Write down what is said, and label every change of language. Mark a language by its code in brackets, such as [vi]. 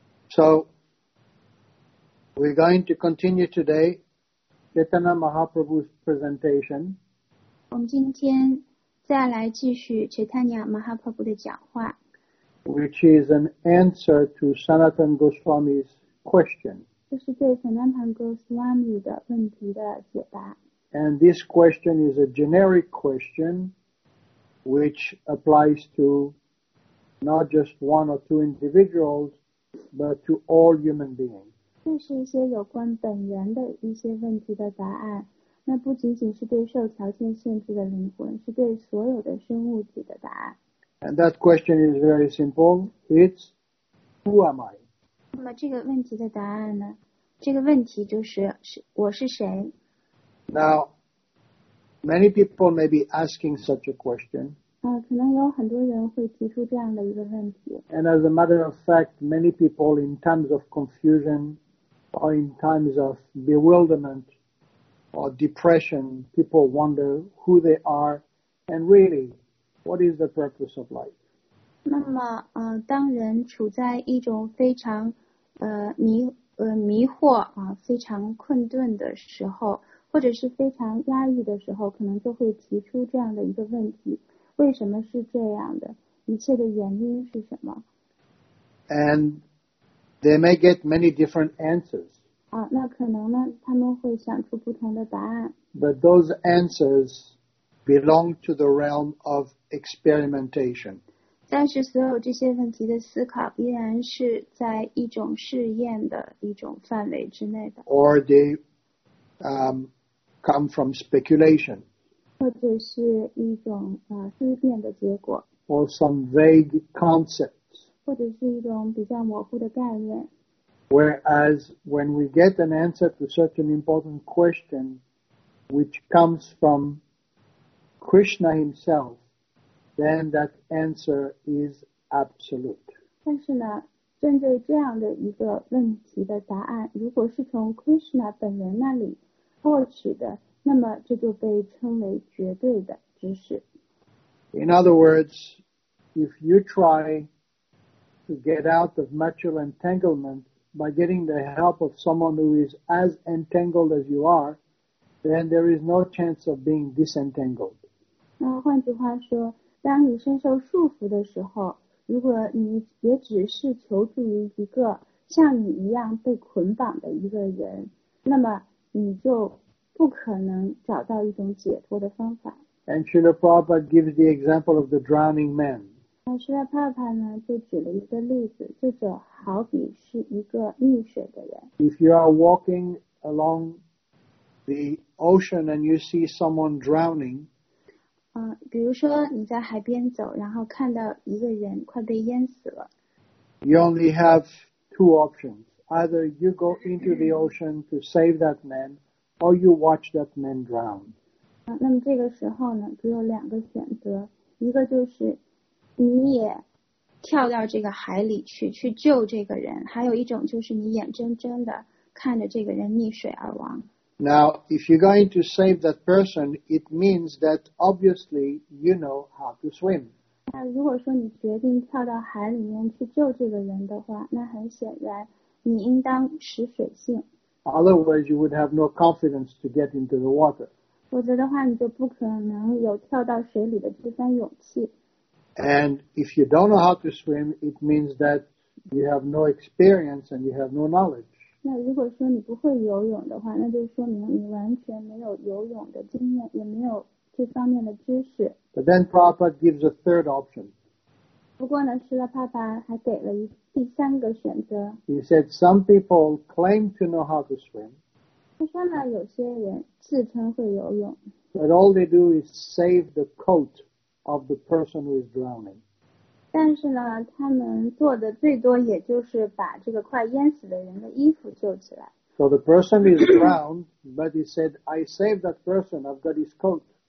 [en] So, we're going to continue today Chaitanya Mahaprabhu's presentation. [zh] 我们今天再来继续崔丹娘马哈帕布的讲话。 [en] Which is an answer to Sanatan Goswami's question. [zh] 这是对萨南坦戈斯瓦米的问题的解答。 [en] And this question is a generic question which applies to not just one or two individuals, but to all human beings. [zh] 这是一些有关本源的一些问题的答案，那不仅仅是对受条件限制的灵魂，是对所有的生物体的答案。 [en] And that question is very simple. It's, who am I? [zh] 那么这个问题的答案呢？这个问题就是，我是谁？ [en] Now, many people may be asking such a question. [zh] 可能有很多人会提出这样的一个问题。 [en] And as a matter of fact, many people in times of confusion or in times of bewilderment or depression, people wonder who they are and really, what is the purpose of life? [zh] 那么，当人处在一种非常迷惑啊，非常困顿的时候，或者是非常压抑的时候，可能就会提出这样的一个问题：为什么是这样的？一切的原因是什么 [en] ？And they may get many different answers. [zh] 那可能呢，他们会想出不同的答案。 [en] But those answers belong to the realm of experimentation. [zh] 但是所有这些问题的思考依然是在一种试验的一种范围之内的。 [en] Or they, come from speculation, [zh] 或者是一种思辨的结果 [en] or some vague concepts, [zh] 或者是一种比较模糊的概念 [en] whereas when we get an answer to such an important question, which comes from Krishna himself, then that answer is absolute. [zh] 但是呢，针对这样的一个问题的答案，如果是从 Krishna 本人那里获取的，那么这就被称为绝对的知识。 [en] In other words, if you try to get out of material entanglement by getting the help of someone who is as entangled as you are, then there is no chance of being disentangled. [zh] 那换句话说，当你身受束缚的时候，如果你也只是求助于一个像你一样被捆绑的一个人，那么你就不可能找到一种解脱的方法。 [en] And Srila Prabhupada gives the example of the drowning man. [zh] Srila Prabhupada 呢就举了一个例子，这就好比是一个溺水的人。 [en] If you are walking along the ocean and you see someone drowning, [zh] 比如说你在海边走，然后看到一个人快被淹死了。 [en] You only have two options. Either you go into the ocean to save that man, or you watch that man drown. [zh] 那么这个时候呢，只有两个选择，一个就是你也跳到这个海里去，去救这个人；还有一种就是你眼睁睁的看着这个人溺水而亡。 [en] Now, if you're going to save that person, it means that obviously you know how to swim. [zh] 那如果说你决定跳到海里面去救这个人的话，那很显然你应当持水性。 [en] Otherwise, you would have no confidence to get into the water. [zh] 否则的话，你就不可能有跳到水里的这番勇气。 [en] And if you don't know how to swim, it means that you have no experience and you have no knowledge. [zh] 那如果说你不会游泳的话，那就说明你完全没有游泳的经验，也没有这方面的知识。 [en] But then Prabhupada gives a third option. [zh] 不过呢，释迦帕巴还给了第三个选择。 [en] He said some people claim to know how to swim. [zh] 他说呢，有些人自称会游泳。 [en] But all they do is save the coat of the person who is drowning. [zh] 但是呢，他们做的最多也就是把这个快淹死的人的衣服救起来。 [en] So the person is drowned, but he said, I saved that person, I've got his coat.